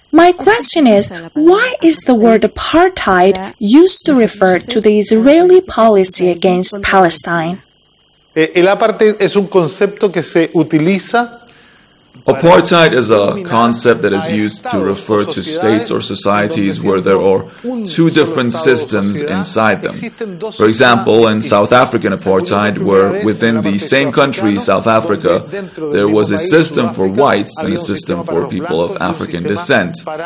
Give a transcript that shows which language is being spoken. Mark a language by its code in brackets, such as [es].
[en] My question is, why is the word apartheid used to refer to the Israeli policy against Palestine? [es] El apartheid es un concepto que se utiliza. [en] Apartheid is a concept that is used to refer to states or societies where there are two different systems inside them. For example, in South African apartheid, where within the same country, South Africa, there was a system for whites and a system for people of African descent.